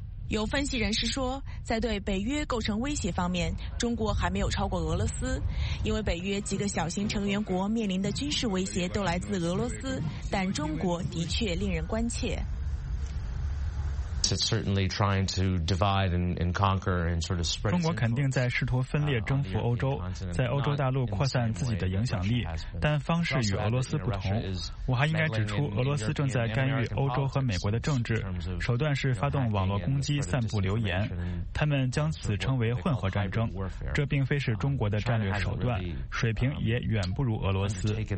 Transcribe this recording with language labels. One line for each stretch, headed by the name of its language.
Chinese: 有分析人士说，在对北约构成威胁方面，中国还没有超过俄罗斯，因为北约几个小型成员国面临的军事威胁都来自俄罗斯，但中国的确令人关切。
English: It's certainly trying to divide and conquer and sort of spread.
Chinese: 中国肯定在试图分裂征服欧洲，在欧洲大陆扩散自己的影响力，但方式与俄罗斯不同。我还应该指出，俄罗斯正在干预欧洲和美国的政治，手段是发动网络攻击、散布流言。他们将此称为混合战争，这并非是中国的战略手段，水平也远不如俄罗斯。